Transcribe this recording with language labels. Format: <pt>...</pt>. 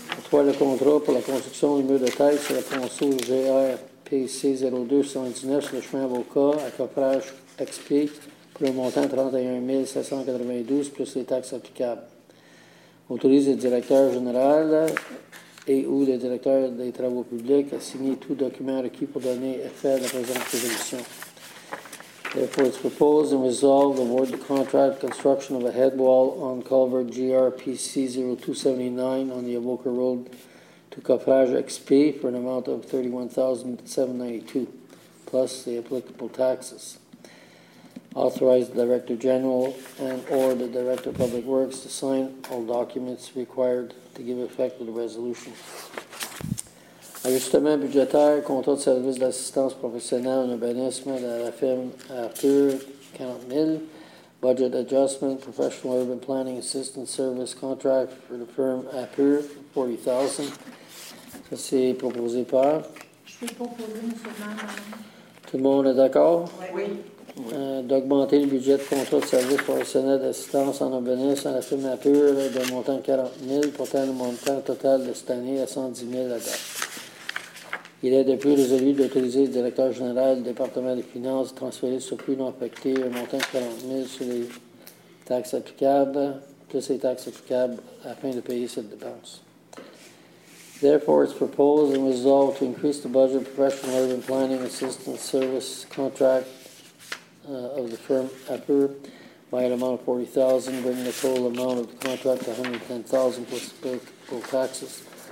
<fr>Toi, le contrat pour la construction du mur de tête sur le ponceau GRPC 0279 sur le chemin Avocat à coffrage XP. Pour un montant de 31,792 plus les taxes applicables. Autorise le directeur général et ou le directeur des travaux publics à signer tout document requis pour donner effet à la présente résolution.</fr> <en>Therefore, it's proposed and resolved to award the contract construction of a headwall on culvert GRPC 0279 on the Avoca Road to Coffrage XP for an amount of 31,792 plus the applicable taxes. Authorize the Director General and or the Director of Public Works to sign all documents required to give effect to the resolution.</en> <fr>Ajustement budgétaire, contrat de service d'assistance professionnelle en urbanisme de la firme Arthur, 40 000.</fr> <en>Budget adjustment, professional urban planning assistance service contract for the firm Arthur, 40 000.</en> <fr>Ça, c'est proposé par? Je peux proposer, M. le maire. Tout le monde est d'accord? Oui. D'augmenter le budget de contrat de service professionnel d'assistance en urbanisme à la firme Apure d'un montant de 40 000, portant le montant total de cette année à 110 000 à date. Il est depuis résolu d'autoriser le directeur général du département des finances de transférer sur plus non affecté un montant de 40 000 sur les taxes applicables, plus les taxes applicables, afin de payer cette dépense.</fr> <en>Therefore, it's proposed and resolved to increase the budget professional urban planning assistance service contract of the firm EPPER by an amount of $40,000, bringing the total amount of the contract to $110,000 plus applicable taxes.</en>